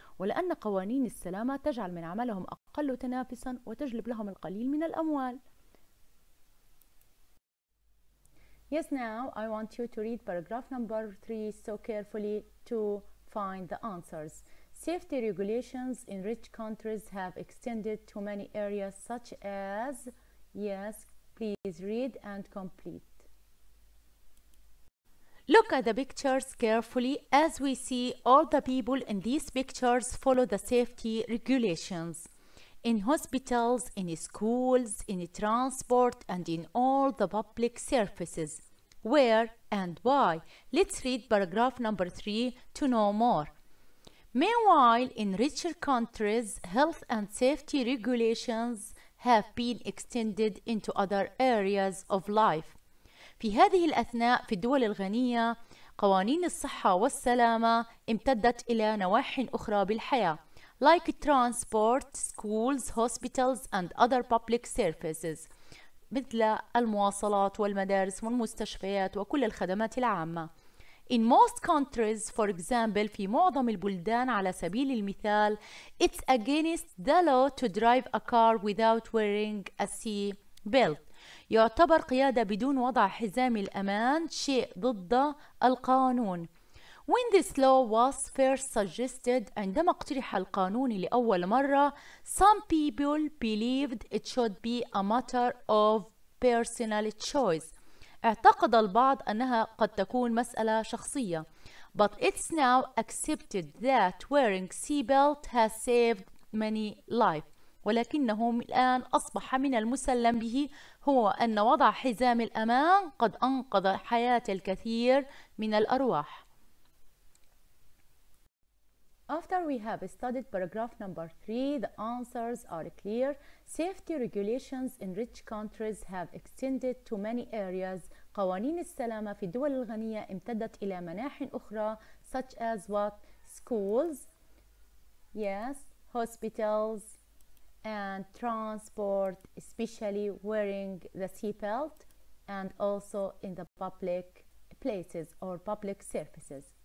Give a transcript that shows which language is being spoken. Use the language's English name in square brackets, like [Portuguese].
[Arabic] ولأن قوانين السلامة تجعل من عملهم أقل تنافسا وتجلب لهم القليل من الأموال. [English] Yes, now I want you to read paragraph number 3 so carefully to find the answers. Safety regulations in rich countries have extended to many areas such as, yes, please read and complete. Look at the pictures carefully. As we see, all the people in these pictures follow the safety regulations. In hospitals, in schools, in transport, and in all the public surfaces. Where and why? Let's read paragraph number 3 to know more. Meanwhile, in richer countries, health and safety regulations have been extended into other areas of life. [Arabic] في هذه الأثناء في الدول الغنية قوانين الصحة والسلامة امتدت إلى نواحي أخرى بالحياة. [English] Like transport, schools, hospitals and other public services. [Arabic] مثل المواصلات والمدارس والمستشفيات وكل الخدمات العامة. [English] In most countries, for example, [Arabic] في معظم البلدان على سبيل المثال, [English] it's against the law to drive a car without wearing a seatbelt. [Arabic] يعتبر قيادة بدون وضع حزام الأمان شيء ضد القانون. [English] When this law was first suggested, [Arabic] عندما اقترح القانون لأول مرة, [English] some people believed it should be a matter of personal choice. [Arabic] اعتقد البعض أنها قد تكون مسألة شخصية. [English] But it's now accepted that wearing seatbelt has saved many lives. [Arabic] ولكنه الآن أصبح من المسلم به هو أن وضع حزام الأمان قد أنقذ حياة الكثير من الأرواح. [English] After we have studied paragraph number 3, the answers are clear. Safety regulations in rich countries have extended to many areas. [Arabic] قوانين السلامة في الدول الغنية امتدت إلى مناحي أخرى [English] such as what? Schools, yes, hospitals and transport, especially wearing the seatbelt and also in the public places or public surfaces.